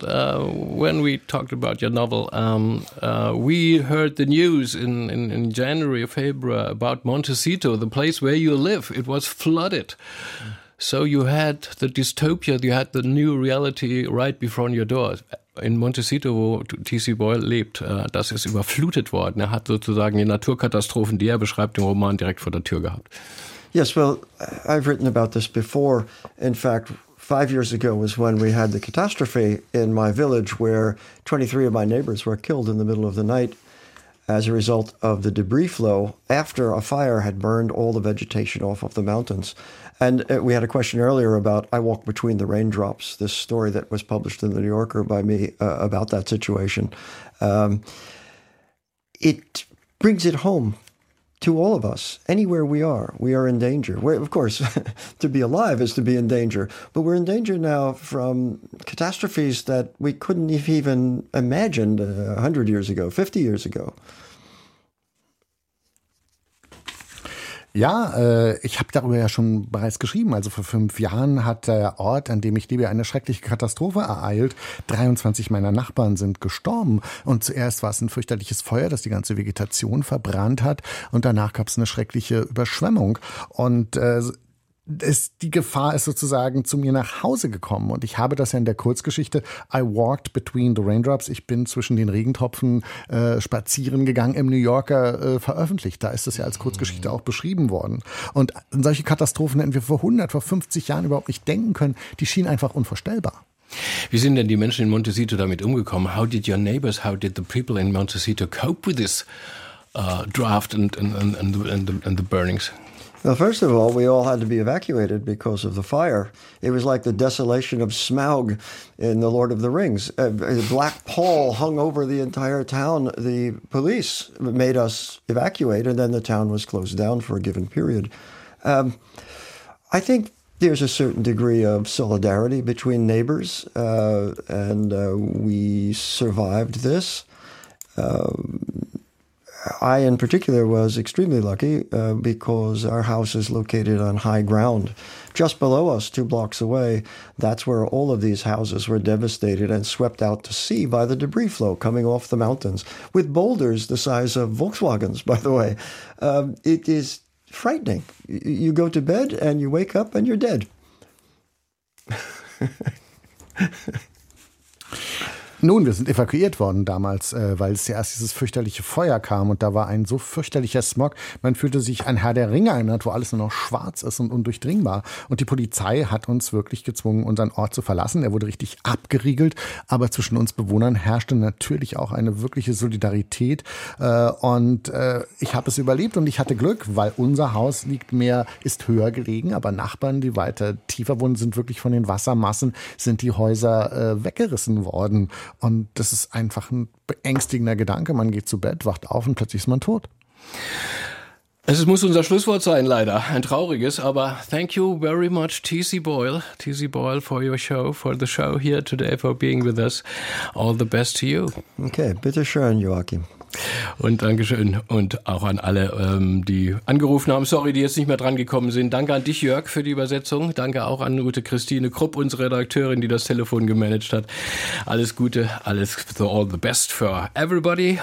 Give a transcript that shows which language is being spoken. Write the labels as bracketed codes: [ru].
[en] When we talked about your novel, we heard the news in January or February about Montecito, the place where you live. It was flooded. So you had the dystopia, you had the new reality right before your door. [de] In Montecito, wo T.C. Boyle lebt, das ist überflutet worden. Er hat sozusagen die Naturkatastrophen, die er beschreibt, im Roman direkt vor der Tür gehabt. [en] Yes, well, I've written about this before. In fact, 5 years ago was when we had the catastrophe in my village where 23 of my neighbors were killed in the middle of the night. as a result of the debris flow after a fire had burned all the vegetation off of the mountains. And we had a question earlier about I Walk Between the Raindrops, this story that was published in The New Yorker by me about that situation. It brings it home to all of us. Anywhere we are in danger. Of course, to be alive is to be in danger. But we're in danger now from catastrophes that we couldn't have even imagined 100 years ago, 50 years ago. [de] Ja, ich habe darüber ja schon bereits geschrieben. Also vor 5 Jahren hat der Ort, an dem ich lebe, eine schreckliche Katastrophe ereilt. 23 meiner Nachbarn sind gestorben. Und zuerst war es ein fürchterliches Feuer, das die ganze Vegetation verbrannt hat. Und danach gab es eine schreckliche Überschwemmung. Und die Gefahr ist sozusagen zu mir nach Hause gekommen. Und ich habe das ja in der Kurzgeschichte I Walked Between the Raindrops, ich bin zwischen den Regentropfen spazieren gegangen, im New Yorker veröffentlicht. Da ist das ja als Kurzgeschichte auch beschrieben worden. Und solche Katastrophen hätten wir vor 100, vor 50 Jahren überhaupt nicht denken können. Die schienen einfach unvorstellbar. Wie sind denn die Menschen in Montecito damit umgekommen? [en] How did your neighbors, how did the people in Montecito cope with this drought and the burnings? Well, first of all, we all had to be evacuated because of the fire. It was like the desolation of Smaug in The Lord of the Rings. A black pall hung over the entire town. The police made us evacuate, and then the town was closed down for a given period. I think there's a certain degree of solidarity between neighbors, and we survived this. I, in particular, was extremely lucky because our house is located on high ground. Just below us, two blocks away, that's where all of these houses were devastated and swept out to sea by the debris flow coming off the mountains, with boulders the size of Volkswagens, by the way. It is frightening. You go to bed and you wake up and you're dead. [de] Nun, wir sind evakuiert worden damals, weil es zuerst dieses fürchterliche Feuer kam und da war ein so fürchterlicher Smog. Man fühlte sich an Herr der Ringe erinnert, wo alles nur noch schwarz ist und undurchdringbar. Und die Polizei hat uns wirklich gezwungen, unseren Ort zu verlassen. Er wurde richtig abgeriegelt, aber zwischen uns Bewohnern herrschte natürlich auch eine wirkliche Solidarität. Und ich habe es überlebt und ich hatte Glück, weil unser Haus liegt mehr, ist höher gelegen, aber Nachbarn, die weiter tiefer wohnen, sind wirklich von den Wassermassen, sind die Häuser weggerissen worden. Und das ist einfach ein beängstigender Gedanke. Man geht zu Bett, wacht auf und plötzlich ist man tot. Es muss unser Schlusswort sein, leider. Ein trauriges, aber [en] thank you very much, [de] T.C. Boyle. T.C. [en] Boyle, for your show, for the show here today, for being with us. All the best to you. [de] Okay, bitteschön, Joachim. Und Dankeschön und auch an alle, die angerufen haben. Sorry, die jetzt nicht mehr dran gekommen sind. Danke an dich, Jörg, für die Übersetzung. Danke auch an Ute Christine Krupp, unsere Redakteurin, die das Telefon gemanagt hat. Alles Gute, alles [en] all the best for everybody.